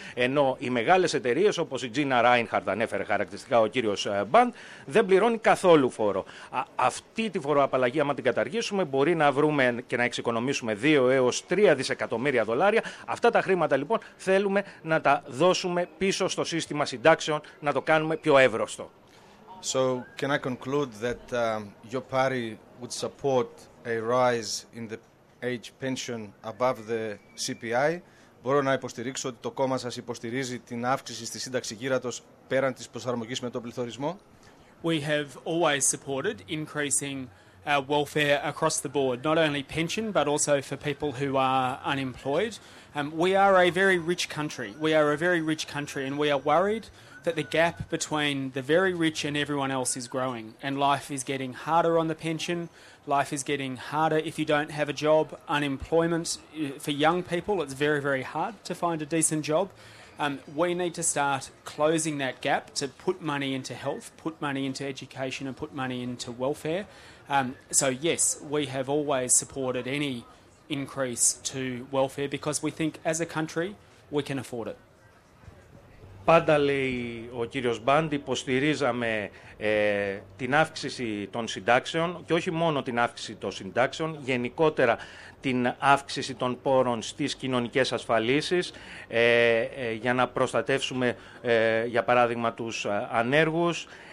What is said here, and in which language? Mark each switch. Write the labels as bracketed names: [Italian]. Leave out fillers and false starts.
[Greek] Ενώ οι μεγάλες εταιρείες όπως η Gina Reinhardt, ανέφερε χαρακτηριστικά ο κύριος Μπαντ, δεν πληρώνει καθόλου φόρο. Αυτή τη φοροαπαλλαγή, άμα την καταργήσουμε, μπορεί να βρούμε και να εξοικονομήσουμε 2 έως 3 δισεκατομμύρια δολάρια. Αυτά τα χρήματα λοιπόν θέλουμε να τα δώσουμε πίσω στο σύστημα συντάξεων, να το κάνουμε πιο εύρωστο. [English] So can I conclude that your party would support a rise in the age pension above the CPI? [Greek] Μπορώ να υποστηρίξω ότι το κόμμα σας υποστηρίζει την αύξηση στη σύνταξη γύρατος πέραν της προσαρμογής με τον πληθωρισμό? [English] We have always supported increasing our welfare across the board, not only pension but also for people who are unemployed. We are a very rich country. We are a very rich country and we are worried that the gap between the very rich and everyone else is growing, and life is getting harder on the pension. Life is getting harder if you don't have a job. Unemployment for young people, it's very, very hard to find a decent job. We need to start closing that gap to put money into health, put money into education, and put money into welfare. So yes, we have always supported any increase to welfare because we think as a country we can afford it. [Greek] Πάντα, λέει ο κύριος Μπαντ, υποστηρίζαμε την αύξηση των συντάξεων και όχι μόνο την αύξηση των συντάξεων, γενικότερα την αύξηση των πόρων στις κοινωνικές ασφαλίσεις για να προστατεύσουμε, για παράδειγμα, τους ανέργους.